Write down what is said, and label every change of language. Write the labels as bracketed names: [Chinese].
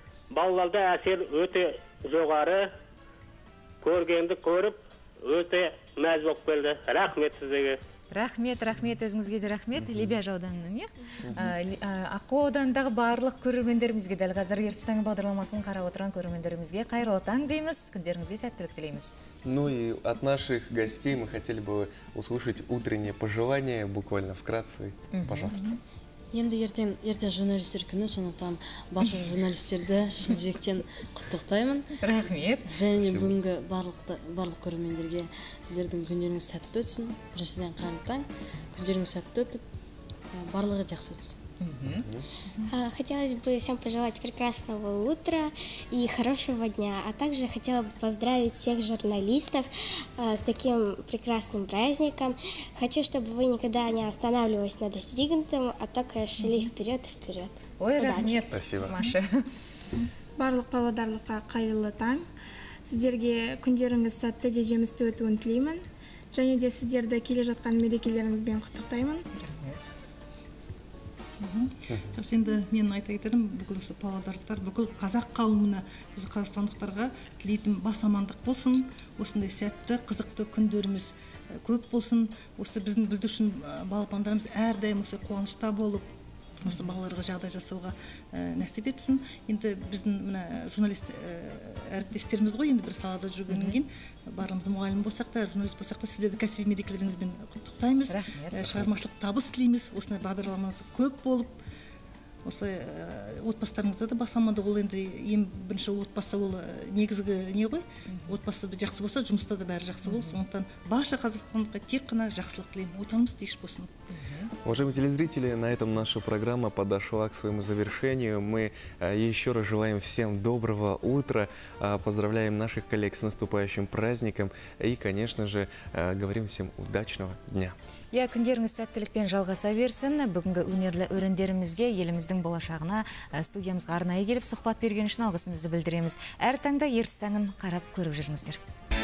[Kazakh] Балаларда әсер өте жоғары, көргенді көріп, өте мәз болып келді. Рахмет сізге. Рахмет, рахмет, өзіңізге де рахмет. Лебяжа ауданынан, иә? Ақу ауданындағы барлық көрермендерімізге, дәл қазір Ертіс таңы бағдарламасын қарап отырған көрермендерімізге қайырлы таң дейміз, күндеріңізге сәттілік тілейміз. [Russian] Ну и от наших гостей мы хотели бы услышать утреннее пожелание, буквально вкратце, пожалуйста. [Kazakh] Енді ертең журналистер күні, сондықтан барша журналистерді шын жүректен құттықтаймын. Рахмет. Және бүгінгі барлық көрермендерге сіздердің күндеріңіз сәтті өтсін. Біріншіден қайырлы таң, күндеріңіз сәтті өтіп, барлығы жақсы өтсін. [Russian] Хотелось бы всем пожелать прекрасного утра и хорошего дня, а также хотела бы поздравить всех журналистов с таким прекрасным праздником. Хочу, чтобы вы никогда не останавливались на достигнутом, а только шли вперед и вперед. [Kazakh] Ой, рахмет. [Russian] Спасибо, [Kazakh] Маша. Барлық павлодарлыққа қайырлы таң. Сіздерге күндеріңіз сәтті де жемісті өтуін тілеймін. Және де сіздерді келе жатқан мерекелеріңізбен құттықтаймын. Тас енді мен айта кетерім, бүкіл павлодарлықтар, бүкіл қазақ қауымына, біз қазақстандықтарға тілейтін бас амандық болсын. Осындай сәтті, қызықты күндеріміз көп болсын. Осы біздің бүлдіршін балапандарымыз әрдайым осы қуанышта болып, осы балаларға жағдай жасауға нәсіп етсін. Енді біздің мына журналист әріптестеріміз ғой, енді бір салада жүргеннен кейін барымыз мұғалім болсақ та, журналист болсақ та, сіздерді кәсіби мерекелеріңізбен құттықтаймыз. Шығармашылық табыс тілейміз. Осындай бағдарламаңыз көп болып, осы отбасыларыңызда да бас аманды, ол енді ең бірінші отбасы ол негізгі не ғой. Отбасы жақсы болса, жұмыста да бәрі жақсы болсын. Сондықтан барша қазақстандыққа тек қана жақсылық тілеймін. Отанымыз тиш болсын. [Russian] Уважаемые телезрители, на этом наша программа подошла к своему завершению. Мы еще раз желаем всем доброго утра, поздравляем наших коллег с наступающим праздником и, конечно же, говорим всем удачного дня. [Kazakh] Я күндеріңіз сәттілікпен жалғаса берсін. Бүгінгі өнерлі өрендерімізге, еліміздің болашағына, студиямызға арнайы келіп сұхбат берген үшін алғысымызды білдіреміз. Әр таңда Ертіс таңын қарап көріп жүріңіздер.